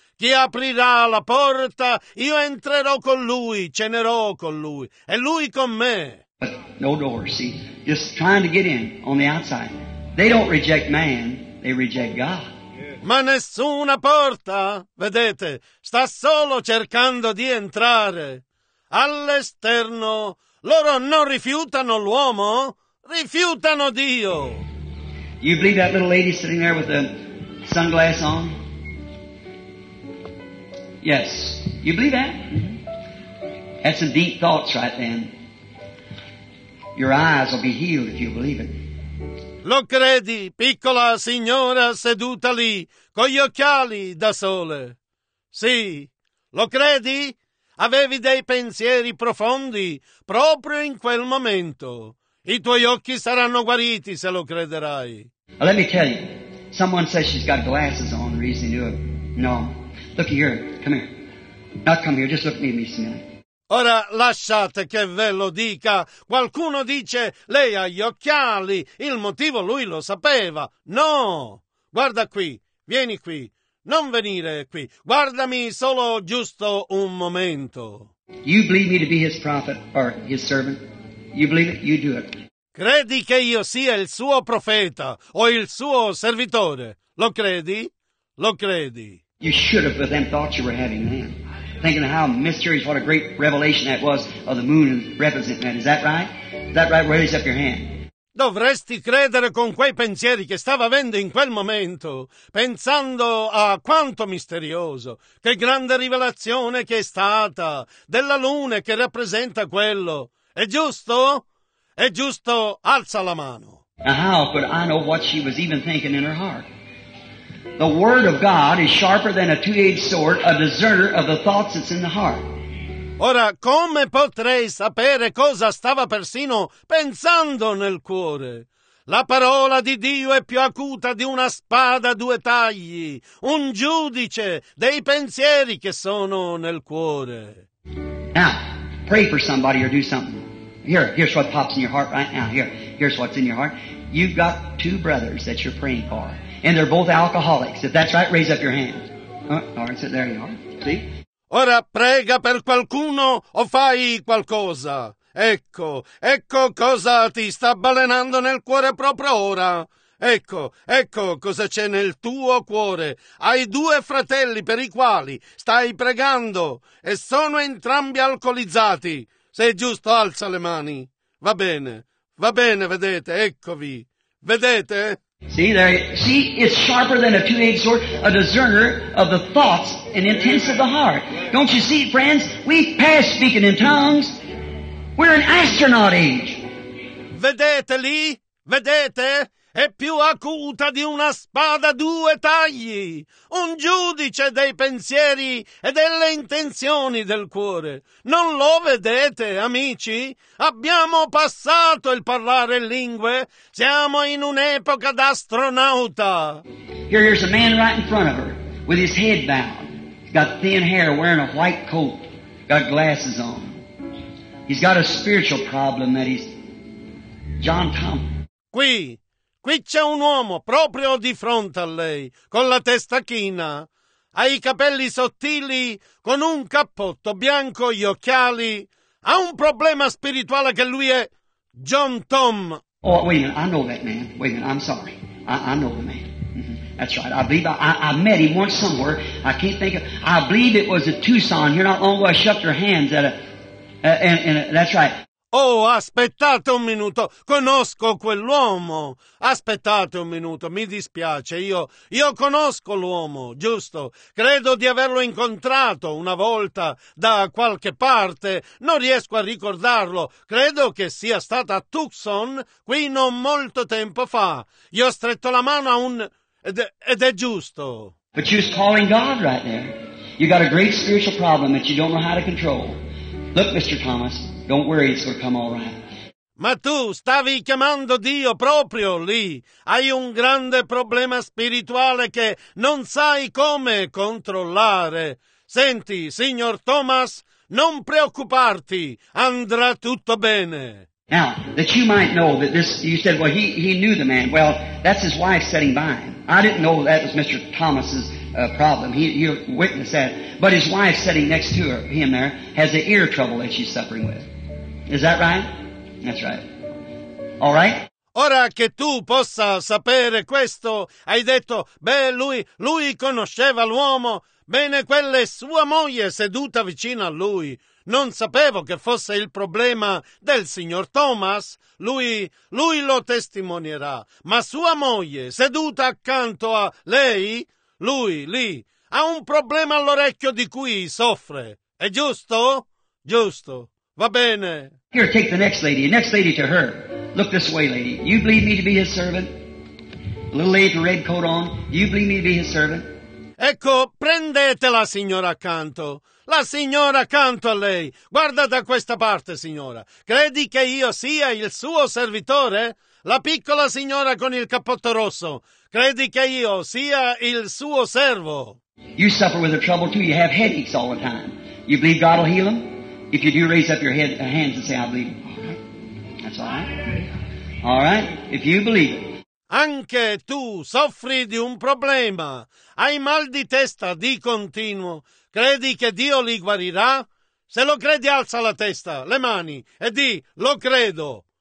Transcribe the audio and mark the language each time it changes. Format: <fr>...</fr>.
<it>Chi aprirà la porta, io entrerò con lui, cenerò con lui, e lui con me.</it> <en>But no door, see, just trying to get in on the outside. They don't reject man. They reject God.</en> <it>Ma nessuna porta, vedete, sta solo cercando di entrare. All'esterno, loro non rifiutano l'uomo, rifiutano Dio.</it> <en>You believe that little lady sitting there with the sunglass on? Yes. You believe that? That's some deep thoughts right then. Your eyes will be healed if you believe it.</en> <it>Lo credi, piccola signora seduta lì, con gli occhiali da sole? Sì, lo credi? Avevi dei pensieri profondi proprio in quel momento. I tuoi occhi saranno guariti se lo crederai.</it> <en>Let me tell you, someone says she's got glasses on, reason to do it. No, look here, come here. Not come here, just look at me a minute.</en> <it>Ora lasciate che ve lo dica. Qualcuno dice, lei ha gli occhiali, il motivo lui lo sapeva. No, guarda qui, vieni qui, non venire qui. Guardami solo giusto un momento.</it> <en>You believe me to be his prophet or his servant? You believe it, you do it.</en> <it>Credi che io sia il suo profeta o il suo servitore? Lo credi? Lo credi?</it> <en>You should have with them thought you were having them. Thinking how mysterious, what a great revelation that was of the moon and representing that. Is that right? Is that right? Raise up your hand.</en> <it>Dovresti credere con quei pensieri che stava avendo in quel momento, pensando a quanto misterioso, che grande rivelazione che è stata della luna che rappresenta quello. È giusto? È giusto? Alza la mano.</it> <en>Now how could I know what she was even thinking in her heart? The word of God is sharper than a two-edged sword, a discerner of the thoughts that's in the heart.</en> <it>Ora, come potrei sapere cosa stava persino pensando nel cuore? La parola di Dio è più acuta di una spada a due tagli, un giudice dei pensieri che sono nel cuore.</it> <en>Now, pray for somebody or do something. Here's what pops in your heart right now. Here's what's in your heart. You've got two brothers that you're praying for. And they're both alcoholics. If that's right, raise up your hand. There you are. See?</en> <it>Ora prega per qualcuno o fai qualcosa. Ecco, ecco cosa ti sta balenando nel cuore proprio ora. Ecco, ecco cosa c'è nel tuo cuore. Hai due fratelli per i quali stai pregando e sono entrambi alcolizzati. Se è giusto, alza le mani. Va bene, vedete, eccovi. Vedete?</it> <en>See there. See, it's sharper than a two-edged sword, a discerner of the thoughts and intents of the heart. Don't you see, friends? We pass speaking in tongues. We're in astronaut age.</en> <it>Vedete lì? Vedete? È più acuta di una spada a due tagli. Un giudice dei pensieri e delle intenzioni del cuore. Non lo vedete, amici? Abbiamo passato il parlare in lingue. Siamo in un'epoca d'astronauta.</it> <en>Here's a man right in front of her, with his head bowed. He's got thin hair, wearing a white coat, got glasses on. He's got a spiritual problem that he's... John Thomas.</en> <it>Qui. Qui c'è un uomo proprio di fronte a lei, con la testa china, ha i capelli sottili, con un cappotto bianco, gli occhiali, ha un problema spirituale che lui è John Tom.</it> <en>Oh, wait a minute, I know that man. Wait a minute, I'm sorry. I know the man. That's right. I believe I met him once somewhere. I can't think of. I believe it was at Tucson. Here not long ago, I shook your hands at a. That's right.</en> <it>Oh, aspettate un minuto, conosco quell'uomo. Aspettate un minuto, mi dispiace, io conosco l'uomo, giusto? Credo di averlo incontrato una volta da qualche parte, non riesco a ricordarlo. Credo che sia stato a Tucson, qui non molto tempo fa. Gli ho stretto la mano a un... ed è giusto.</it> <en>But you're calling God right there. You got a great spiritual problem that you don't know how to control. Look, Mr. Thomas... Don't worry, it's gonna come all right.</en> <it>Ma tu stavi chiamando Dio proprio lì. Hai un grande problema spirituale che non sai come controllare. Senti, signor Thomas, non preoccuparti, andrà tutto bene.</it> <en>Now, that you might know that this, you said, well, he knew the man. Well, that's his wife sitting by him. I didn't know that was Mr. Thomas's problem. He witnessed that. But his wife sitting next to him there has the ear trouble that she's suffering with. Is that right? That's right. All right?</en> <it>Ora che tu possa sapere questo, hai detto, beh, lui conosceva l'uomo. Bene, quella è sua moglie seduta vicino a lui. Non sapevo che fosse il problema del signor Thomas. Lui lo testimonierà. Ma sua moglie seduta accanto a lei, lui lì, ha un problema all'orecchio di cui soffre. È giusto? Giusto. Va bene.</it> <en>Here, take the next lady to her. Look this way, lady. You believe me to be his servant? A little lady with a red coat on. You believe me to be his servant?</en> <it>Ecco, prendete la signora accanto. La signora accanto a lei. Guarda da questa parte, signora. Credi che io sia il suo servitore? La piccola signora con il cappotto rosso. Credi che io sia il suo servo?</it> <en>You suffer with a trouble too. You have headaches all the time. You believe God will heal them? If you do, raise up your head, hands and say, I believe. That's all right. All right. If you believe.</en> <it>Anche tu soffri di un problema. Hai mal di testa di continuo. Credi che Dio li guarirà? Se lo credi, alza la testa, le mani e di, lo credo.</it>